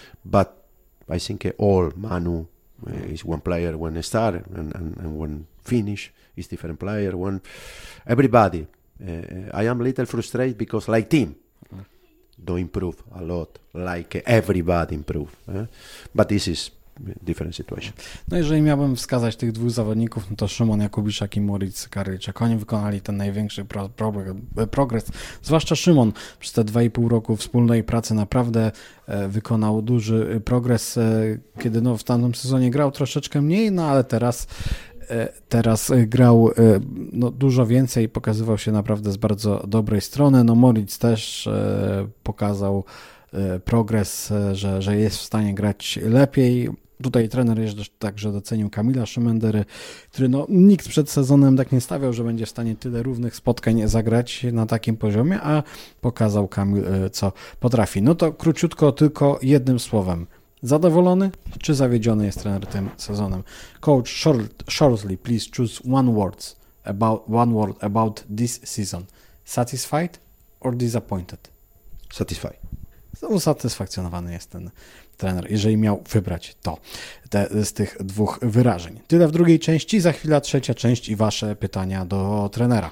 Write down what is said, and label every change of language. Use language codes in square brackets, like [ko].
[en] But I think all Manu is one player when they start and when finish is different player. When everybody, I am a little frustrated because like team don't improve a lot, like everybody improve. But this is different situation. [pl] No, jeżeli miałbym wskazać tych dwóch zawodników, no to Szymon Jakubiszak i Moritz Karliczak, oni wykonali ten największy progres, zwłaszcza Szymon przez te 2,5 roku wspólnej pracy naprawdę wykonał duży progres, kiedy no w tamtym sezonie grał troszeczkę mniej, no ale teraz grał no, dużo więcej, pokazywał się naprawdę z bardzo dobrej strony, no Moritz też pokazał progres, że jest w stanie grać lepiej. Tutaj trener jeszcze także docenił Kamila Szymendery, który no, nikt przed sezonem tak nie stawiał, że będzie w stanie tyle równych spotkań zagrać na takim poziomie, a pokazał Kamil, co potrafi. No to króciutko tylko jednym słowem. Zadowolony czy zawiedziony jest trener tym sezonem? [en] Coach Shortly, please choose one word about this season. Satisfied or disappointed? Satisfied. [pl] Usatysfakcjonowany jest ten trener, jeżeli miał wybrać to z tych dwóch wyrażeń. Tyle w drugiej części, za chwilę trzecia część i wasze pytania do trenera.